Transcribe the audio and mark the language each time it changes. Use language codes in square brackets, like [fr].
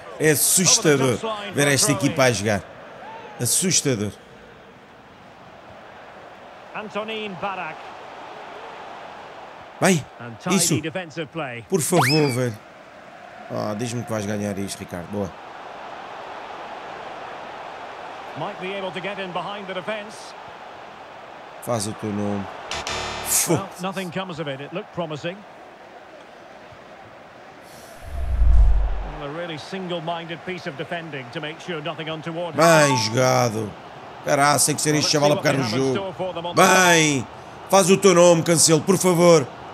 [pt] É assustador ver esta equipa a jogar. Assustador. Antonin Barak. Vai, isso. Por favor, velho. Oh, diz-me que vais ganhar isto, Ricardo. Boa. [en] Might be able to get in behind the defense. [pt] Faz o teu nome. [en] Well, nothing comes of it. It looked promising. Well, a really single-minded piece of defending to make sure nothing untoward. [pt] Bem jogado. Caraca, tem que ser este chaval a pegar no jogo. Bem, faz o teu nome, Cancelo, por favor.